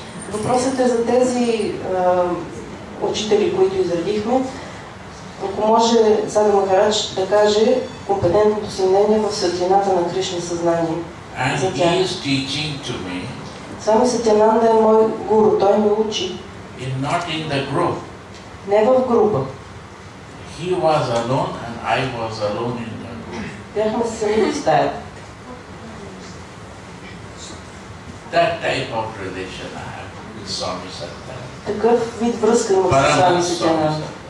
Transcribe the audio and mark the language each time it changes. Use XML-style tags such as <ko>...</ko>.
<bg>Въпросът е за тези учители, които изредихме. Ако може Сади Махарадж да каже компетентното си мнение в светлината на Кришна съзнание.</bg> <en>And he is teaching to me.</en> <bg>Сами Сатянанда е мой гуру, той ме учи.</bg> <en>In not in the group.</en> <bg>Не в група.</bg> <en>He was alone and I was alone in the group.</en> <bg>Бяхме сами в стаят.</bg> <en>That type of relation I have with Swami Satyananda.</en> <bg>Такъв вид връзка има с Свами Сатянанда.</bg>